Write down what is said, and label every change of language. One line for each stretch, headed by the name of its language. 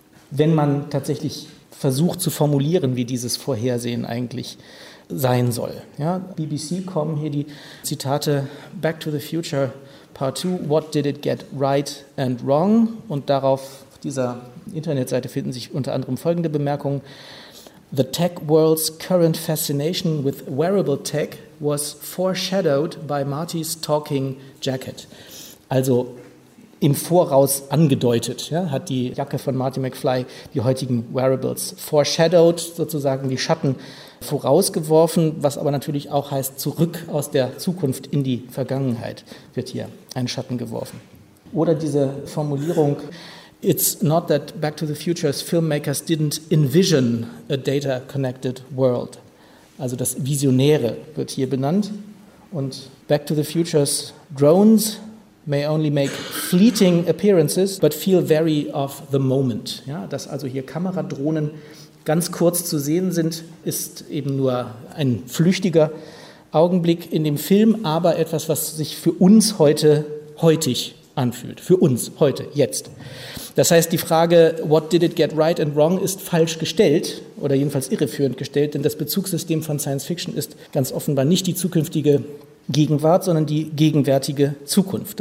German: Wenn man tatsächlich versucht zu formulieren, wie dieses Vorhersehen eigentlich sein soll. Ja, BBC kommen hier die Zitate Back to the Future Part 2,
English: what did it get right and wrong?
German: Und darauf, auf dieser Internetseite, finden sich unter anderem folgende Bemerkungen.
English: The tech world's current fascination with wearable tech was foreshadowed by Marty's talking jacket.
German: Also im Voraus angedeutet, ja, hat die Jacke von Marty McFly die heutigen Wearables foreshadowed, sozusagen die Schatten vorausgeworfen, was aber natürlich auch heißt, zurück aus der Zukunft in die Vergangenheit wird hier ein Schatten geworfen. Oder diese Formulierung,
English: it's not that Back to the Future's filmmakers didn't envision a data-connected world.
German: Also das Visionäre wird hier benannt. Und
English: Back to the Future's drones may only make fleeting appearances, but feel very of the moment.
German: Ja, dass also hier Kameradrohnen ganz kurz zu sehen sind, ist eben nur ein flüchtiger Augenblick in dem Film, aber etwas, was sich für uns heute heutig anfühlt. Für uns heute, jetzt. Das heißt, die Frage,
English: what did it get right and wrong,
German: ist falsch gestellt oder jedenfalls irreführend gestellt, denn das Bezugssystem von Science Fiction ist ganz offenbar nicht die zukünftige Gegenwart, sondern die gegenwärtige Zukunft.